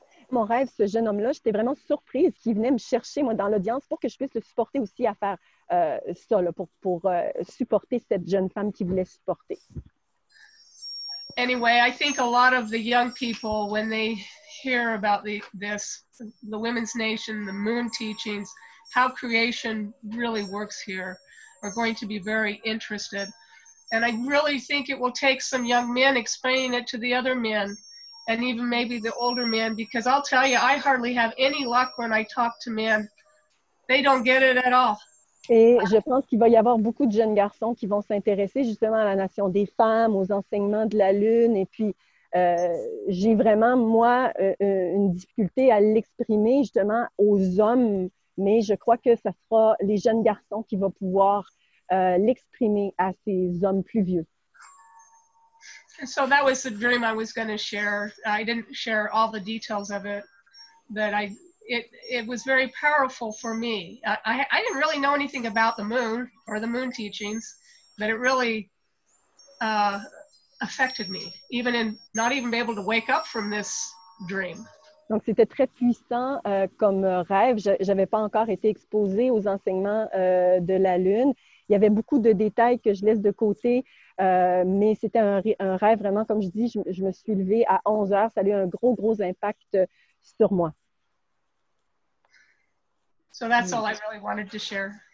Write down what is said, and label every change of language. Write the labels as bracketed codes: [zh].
[fr] Mon rêve, ce jeune homme-là, j'étais vraiment surprise qu'il venait me chercher, moi, dans l'audience pour que je puisse le supporter aussi à faire ça, là, pour supporter cette jeune femme qu'il voulait supporter. [en] Anyway, I think a lot of the young people, when they hear about the Women's Nation, the Moon teachings, how creation really works here, are going to be very interested. And I really think it will take some young men explaining it to the other men, and even maybe the older men, because I'll tell you, I hardly have any luck when I talk to men. They don't get it at all. [fr] Et je pense qu'il va y avoir beaucoup de jeunes garçons qui vont s'intéresser justement à la Nation des femmes, aux enseignements de la Lune. Et puis, j'ai vraiment, moi, une difficulté à l'exprimer justement aux hommes. Mais je crois que ce sera les jeunes garçons qui vont pouvoir l'exprimer à ces hommes plus vieux. [en] So that was the dream I was going to share. I didn't share all the details of it, but it was very powerful for me. I didn't really know anything about the moon or the moon teachings, but it really affected me, even in not even being able to wake up from this dream. [fr] Donc c'était très puissant comme rêve. J'avais pas encore été exposée aux enseignements de la lune. Il y avait beaucoup de détails que je laisse de côté, mais c'était un rêve vraiment, comme je dis, je me suis levée à 11 heures, ça a eu un gros, gros impact sur moi. [en] So that's all I really wanted to share.